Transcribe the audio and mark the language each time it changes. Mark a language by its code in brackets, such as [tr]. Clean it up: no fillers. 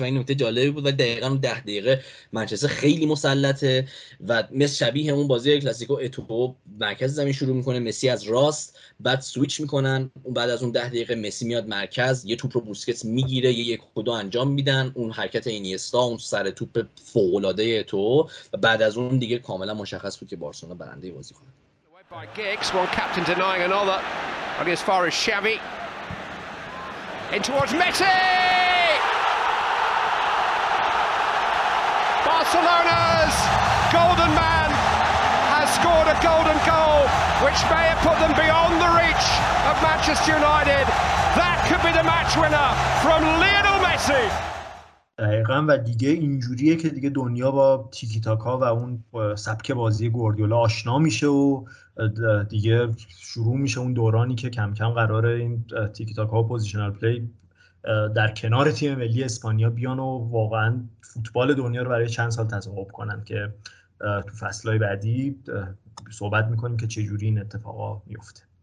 [fa] و این نکته جالبی بود و دقیقاً 10 دقیقه منچستر خیلی مسلطه و مثل شبیه همون بازی کلاسیکو اتوبو مرکز زمین شروع میکنه، مسی از راست، بعد سویچ میکنن، بعد از اون 10 دقیقه مسی میاد مرکز، یه توپ رو بوسکتس میگیره، یه یک خدا انجام میدن، اون حرکت اینیستا، اون سر توپ فوق العاده اتو، و بعد از اون دیگه کاملا مشخص بود که بارسلونا برنده بازی کنه. [en] By Giggs, one captain denying another. I mean, as far as Xavi. In towards Messi! Barcelona's golden man has scored a golden goal, which may have put them beyond the reach of Manchester United. That could be the match winner from Lionel Messi! [fa] دقیقاً. و دیگه اینجوریه که دیگه دنیا با تیکی تاکا و اون سبک بازی گواردیولا آشنا میشه و دیگه شروع میشه اون دورانی که کم کم قراره این تیکی تاکا و پوزیشنال پلی در کنار تیم ملی اسپانیا بیان و واقعاً فوتبال دنیا رو برای چند سال تصاحب کنن، که تو فصلهای بعدی صحبت میکنیم که چجوری این اتفاقا میفته.